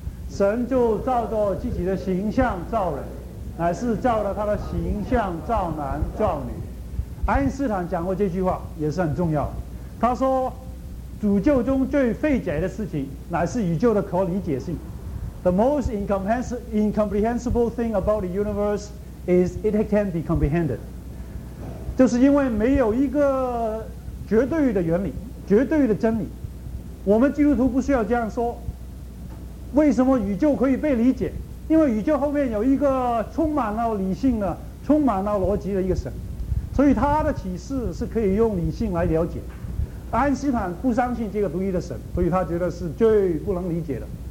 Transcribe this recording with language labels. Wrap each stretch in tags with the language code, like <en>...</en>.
<zh>神就照着自己的形象造人，乃是照了他的形象造男造女。爱因斯坦讲过这句话也是很重要的，他说主救中最费解的事情乃是宇宙的可理解性。</zh> <en>The most incomprehensible thing about the universe is it can be comprehended，</en> <zh>就是因为没有一个绝对的原理、绝对的真理。我们基督徒不需要这样说，为什么宇宙可以被理解？因为宇宙后面有一个充满了理性的、充满了逻辑的一个神，所以他的启示是可以用理性来了解。爱因斯坦不相信这个独一的神，所以他觉得是最不能理解的。</zh>